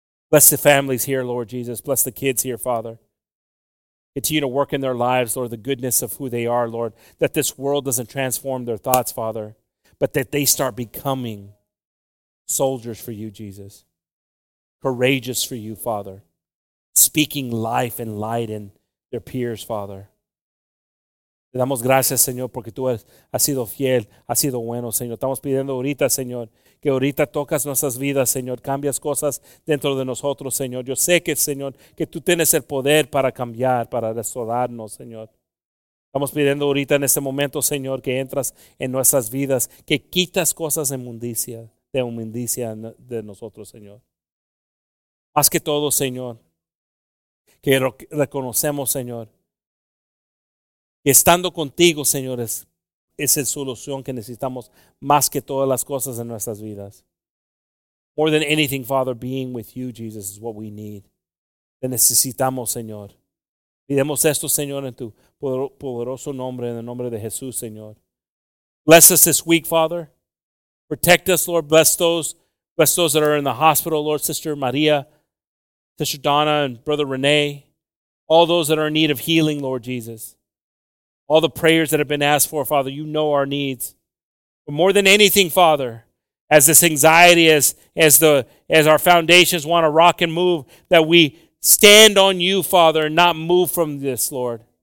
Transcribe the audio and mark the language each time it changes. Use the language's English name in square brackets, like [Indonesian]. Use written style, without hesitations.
[English] Bless the families here, Lord Jesus. Bless the kids here, Father. Continue to work in their lives, Lord, the goodness of who they are, Lord, that this world doesn't transform their thoughts, Father, but that they start becoming soldiers for you, Jesus, courageous for you, Father. Speaking life and light in their peers, Father. [Spanish] Te damos gracias, Señor, porque tú has sido fiel, has sido bueno, Señor. Estamos pidiendo ahorita, Señor, que ahorita tocas nuestras vidas, Señor. Cambias cosas dentro de nosotros, Señor. Yo sé que, Señor, que tú tienes el poder para cambiar, para restaurarnos, Señor. Estamos pidiendo ahorita en este momento, Señor, que entras en nuestras vidas, que quitas cosas de inmundicia, de nosotros, Señor. Más que todo, Señor, que reconocemos, Señor, que estando contigo, Señor, es la solución que necesitamos más que todas las cosas en nuestras vidas. [English] More than anything, Father, being with you, Jesus, is what we need. [Spanish] Te necesitamos, Señor. Pidemos esto, Señor, en tu poderoso nombre, en el nombre de Jesús, Señor. [English] Bless us this week, Father. Protect us, Lord. Bless those that are in the hospital, Lord. Sister Maria, Sister Donna, and Brother Renee, all those that are in need of healing, Lord Jesus, all the prayers that have been asked for, Father, you know our needs. But more than anything, Father, as this anxiety, as our foundations want to rock and move, that we stand on you, Father, and not move from this, Lord.